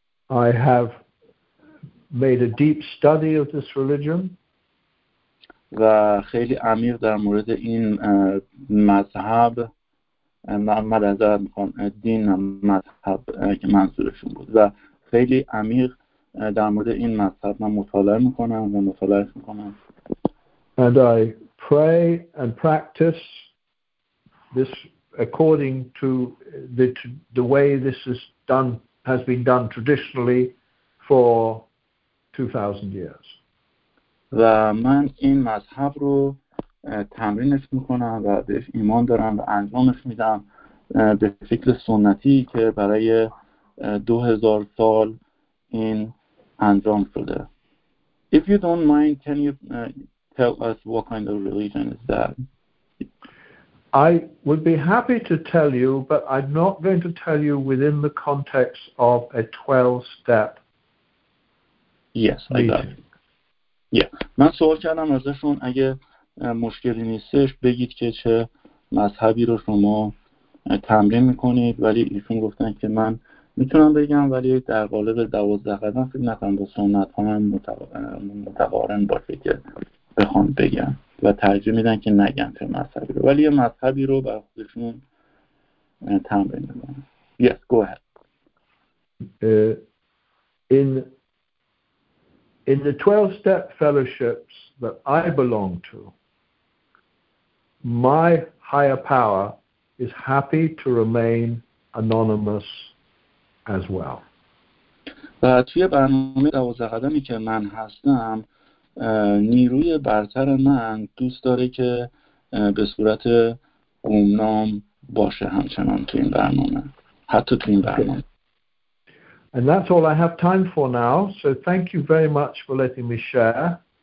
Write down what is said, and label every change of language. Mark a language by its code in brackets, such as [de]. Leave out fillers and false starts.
[en] I have made a deep study of this religion. [fa] و خیلی عمیق در مورد این مذهب مطالعه میکنم. [en] And I pray and practice this according to the way this is done has been done traditionally for 2000 years. [fa] و من این مذهب رو تمرینش میکنم و بهش ایمان دارم و انجامش میدم به فکر سنتی که برای 2000 سال این انجام شده. [en] If you don't mind, can you tell us what kind of religion is that? I would be happy to tell you, but I'm not going to tell you within the context of a 12-step meeting. Yes, I got it. Yeah. [fa] من سوال کردم ازشون اگه مشکلی نیستش بگید که چه مذهبی رو شما تمرین میکنید، ولی ایشون گفتن که من میتونم بگم ولی در قالب 12 قدم فکر نکنم با سنت ها من متقارن باشه که بخوام بگم و ترجیح میدن که نگم چه مذهبی رو، ولی یه مذهبی رو بر خودشون تمرین میکنم. [en] Yes, go ahead. In the 12-step fellowships that I belong to, my higher power is happy to remain anonymous as well. [fa] و توی برنامه 12 قدمی که من هستم، نیروی برتر من دوست داره که به صورت گمنام باشه همچنان توی این برنامه. حتی توی این برنامه. [en] And that's all I have time for now. So thank you very much for letting me share.